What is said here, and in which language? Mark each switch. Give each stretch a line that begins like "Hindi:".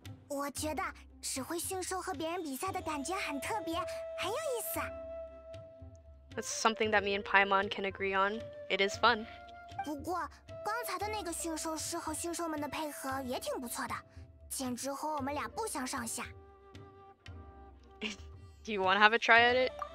English: That's something that me and Paimon can agree on. It is fun.
Chinese: 不过，刚才的那个驯兽师和驯兽们的配合也挺不错的。
English: Do you want to have a try at it?